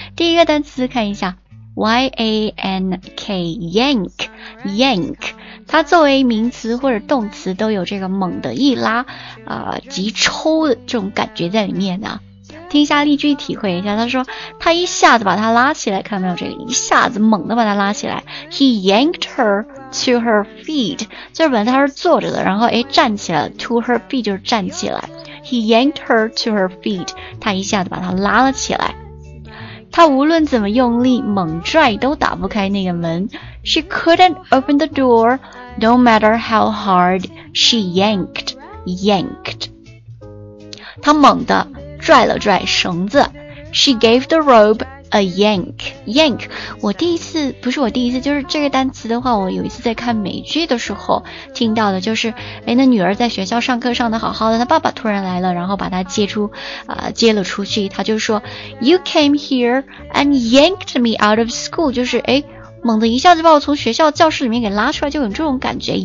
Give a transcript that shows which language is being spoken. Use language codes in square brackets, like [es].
[zh] 第一个单词看一下 ，yank， yank， yank， 它作为名词或者动词都有这个猛的一拉啊，急抽的这种感觉在里面呢、啊。听一下例句体会一下，他说他一下子把他拉起来，看到没有，这个一下子猛地把他拉起来。 [en] He yanked her to her feet， [zh] 就是本来他是坐着的，然后诶站起来， to her feet 就是站起来。 [en] He yanked her to her feet， [zh] 他一下子把他拉了起来。他无论怎么用力猛拽都打不开那个门。 [en] She couldn't open the door no matter how hard she yanked， yanked， [zh] 他猛地拽了拽绳子。 [en] She gave the rope a yank. [zh] Yank， 我第一次，不是我第一次，就是这个单词的话，我有一次在看美剧的时候听到的，就是诶，那女儿在学校上课上的好好的，她爸爸突然来了，然后把她接了出去，她就说 [en] You came here and yanked me out of school， [zh] 就是诶，猛地一下子把我从学校教室里面给拉出来，就有这种感觉。